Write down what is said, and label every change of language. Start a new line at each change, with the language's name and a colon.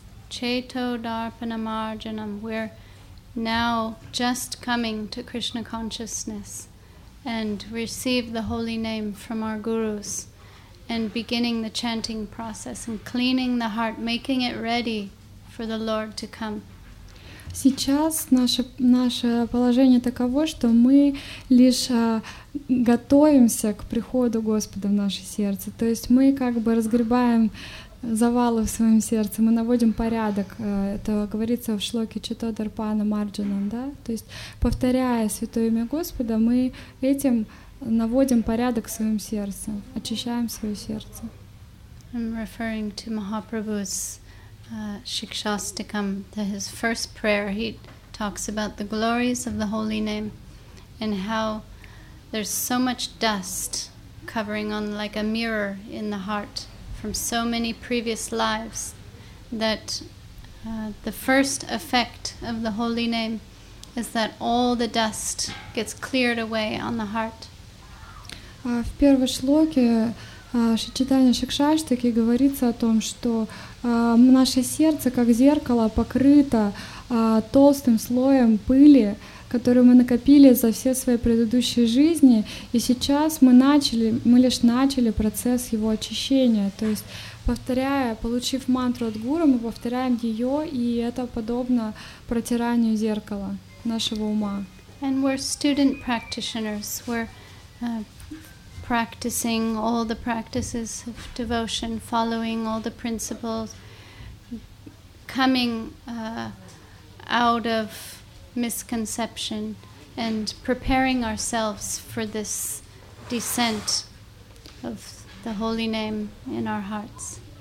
English: Cheto darpana marjanam. We're now just coming to Krishna consciousness and receive the holy name from our gurus and beginning the chanting process and cleaning the heart, making it ready for the Lord to come.
Russian: Сейчас наше положение таково, что мы лишь готовимся к приходу Господа в наше сердце. То есть мы как бы разгребаем завалы в своем сердце, мы наводим порядок. Это говорится в шлоке Читодарпана Марджанан, да? То есть, повторяя святое имя Господа, мы этим наводим порядок в своем сердце, очищаем свое сердце.
English: I'm referring to Mahaprabhu's Shikshastikam, to his first prayer. He talks about the glories of the holy name and how there's so much dust covering on like a mirror in the heart from so many previous lives, that the first effect of the holy name is that all the dust gets cleared away on the heart.
Russian: В первой шлоке Шичитания Шикшаштаки говорится о том, что наше сердце, как зеркало, покрыто толстым слоем пыли, которую мы накопили за все свои предыдущие жизни, и сейчас мы лишь начали процесс его очищения. То есть, повторяя, получив мантру от гуру, мы повторяем ее, и это подобно протиранию зеркала нашего ума.
English: And we're student practitioners. We're practicing all the practices of devotion, following all the principles, coming out of misconception and preparing ourselves for this descent of the holy name in our hearts.